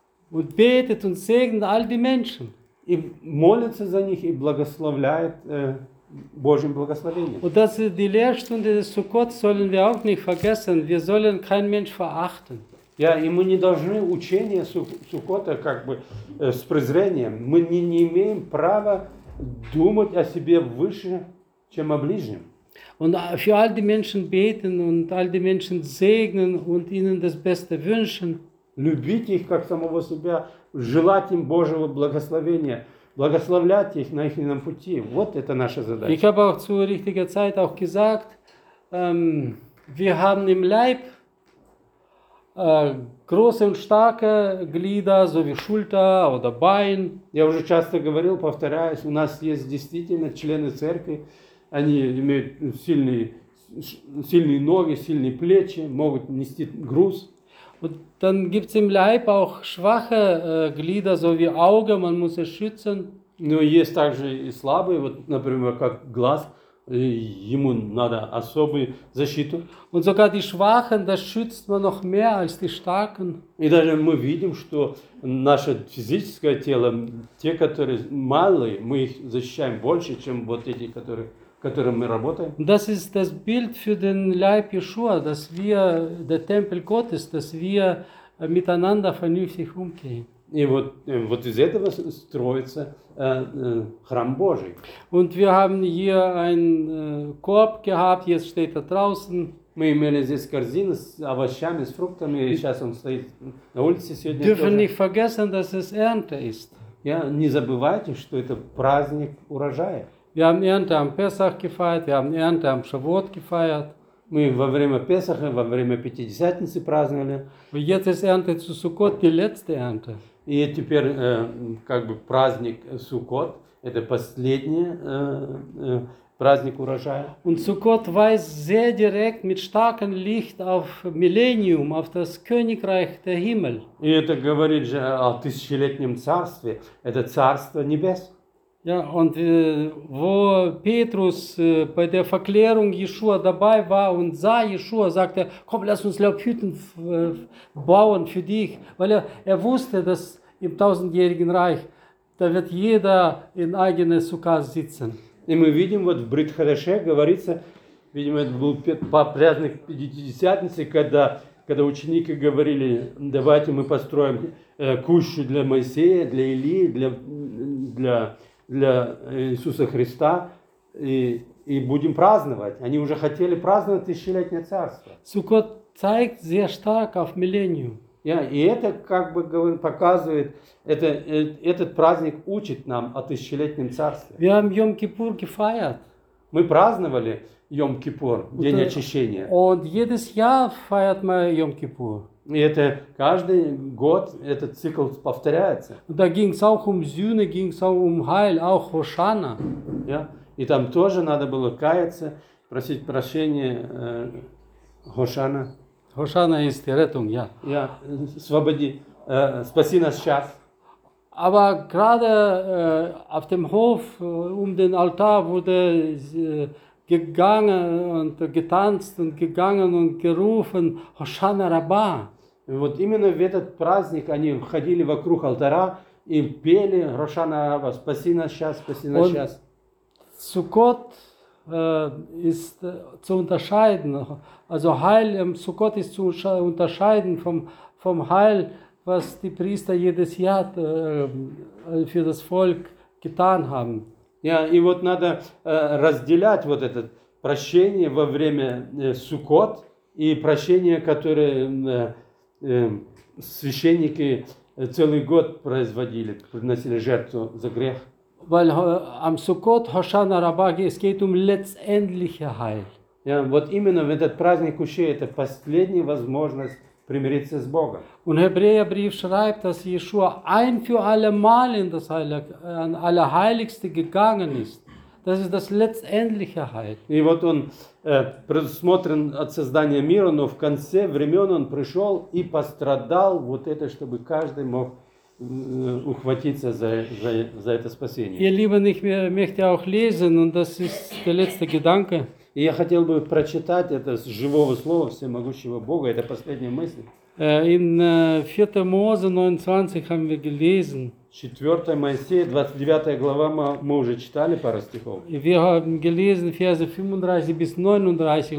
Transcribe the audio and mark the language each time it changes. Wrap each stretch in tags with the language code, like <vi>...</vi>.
<de>Und betet und segnet all die Menschen.</de> <ru>И молится за них и благословляет Божьим благословением.</ru> <de>Und das ist die Lehrstunde des Sukkot sollen wir auch nicht vergessen. Wir sollen keinen Mensch verachten.</de> <ru>Ja, и мы не должны учение Суккота как бы с презрением. Мы не имеем права думать о себе выше, чем о ближнем.</ru> <de>Und für all die Menschen beten und all die Menschen segnen und ihnen das Beste wünschen.</de> <ru>Любить их как самого себя, желать им Божьего благословения. Благословлять их на их пути. Вот это наша задача.</ru> <de>Ich habe auch zu richtiger Zeit auch gesagt, wir haben im Leib große und starke Glieder, so wie Schulter oder Bein.</de> <ru>Я уже часто говорил, повторяюсь, у нас есть действительно члены церкви, они имеют сильные ноги, сильные плечи, могут нести груз.</ru> <de>Und dann gibt es im Leib auch schwache Glieder, so wie Auge, man muss es schützen.</de> <ru>Но есть также и слабые, вот, например, как глаз, ему надо особую защиту.</ru> <de>Und sogar die Schwachen, das schützt man noch mehr als die Starken.</de> <ru>И даже мы видим, что наше физическое тело, те, которые малые, мы их защищаем больше, чем вот эти, которые... которым мы работаем.</ru> <de>Das ist das Bild für den Leib Yeshua, dass wir der Tempel Gottes, dass wir miteinander vernünftig umgehen.</de> <ru>И вот, вот из этого строится храм Божий.</ru> <de>Und wir haben hier einen Korb gehabt, jetzt steht er draußen.</de> <ru>Мы имели здесь корзину с овощами, с фруктами, и сейчас он стоит на улице сегодня.</ru> <de>Dürfen</de> <ru>тоже.</ru> <de>Nicht vergessen, dass es Ernte ist.</de> <ru>Ja, не забывайте, что это праздник урожая.</ru> <de>Wir haben Ernte am Pesach gefeiert, wir haben Ernte am Shavuot gefeiert.</de> <ru>Мы во время Песаха, во время Пятидесятницы праздновали.</ru> <de>Und jetzt ist Ernte zu Sukkot, die letzte Ernte.</de> <ru>И теперь как бы праздник Суккот, это последний праздник урожая.</ru> <de>Und Sukkot weist sehr direkt mit starkem Licht auf Millennium, auf das Königreich der Himmel.</de> <ru>И это говорит же о тысячелетнем царстве, это царство небес.</ru> <de>Ja, und wo Petrus bei der Verklärung Jeschua dabei war und sah Jeschua, sagte er, komm, lass uns Laubhütten bauen für dich. Weil er wusste, dass im tausendjährigen Reich, da wird jeder in eigene Sukkah sitzen.</de> <ru>И мы видим, вот в Брит-Хадаше говорится, видимо, это был праздник Пятидесятницы, когда ученики говорили, давайте мы построим кущу для Моисея, для Илии, для Иисуса Христа и будем праздновать. Они уже хотели праздновать тысячелетнее царство.</ru> <de>Суккот zeigt sehr stark auf Millennium.</de> <ru>Ja, и это как бы показывает, этот праздник учит нам о тысячелетнем царстве.</ru> <de>Wir haben Yom Kippur gefeiert.</de> <ru>Мы праздновали Йом Кипур, день очищения.</ru> <de>Und jedes Jahr feiert man Yom Kippur.</de> <ru>И это каждый год этот цикл повторяется.</ru> <de>Да, ging's auch um Sühne, ging's auch um Heil, auch Hoshana.</de> <ru>Ja, и там тоже надо было каяться, просить прощения Hoshana.</ru> <de>Hoshana ist die Rettung, ja.</de> <ru>Ja, свободи, спаси нас сейчас.</ru> <de>Aber gerade auf dem Hof um den Altar wurde gegangen und getanzt und gegangen und gerufen Hoshana Rabba.</de> <ru>И вот именно в этот праздник они ходили вокруг алтаря и пели Hoshana Rabba, спаси нас сейчас, спаси нас сейчас.</ru> <de>Sukkot ist zu unterscheiden, also Heil im Sukkot ist zu unterscheiden vom Heil, was die Priester jedes Jahr für das Volk getan haben.</de> <ru>Ja, и вот надо разделять вот это прощение во время Суккот и прощение, которое священники целый год производили, приносили жертву за грех.</ru> <de>Weil am Sukkot Hoshana Rabba, es geht um letztendliche Heil.</de> <ru>Ja, вот именно в этот праздник уже это последняя возможность примириться с Богом.</ru> <de>Und Hebräerbrief schreibt, dass Jeschua ein für alle Mal in das Allerheiligste gegangen ist. Das ist das letztendliche Heil.</de> <ru>И вот он предусмотрен от создания мира, но в конце времен он пришел и пострадал вот это, чтобы каждый мог ухватиться за это спасение.</ru> <de>Ihr Lieben, ich möchte auch lesen, und das ist der letzte Gedanke.</de> <ru>И я хотел бы прочитать это с живого слова всемогущего Бога, это последняя мысль.</ru> <de>In 4. Mose 29 haben wir gelesen. 4.</de> <ru>Моисея, 29 глава, мы уже читали пару стихов.</ru> <de>Wir haben gelesen Verse 35 bis 39.</de>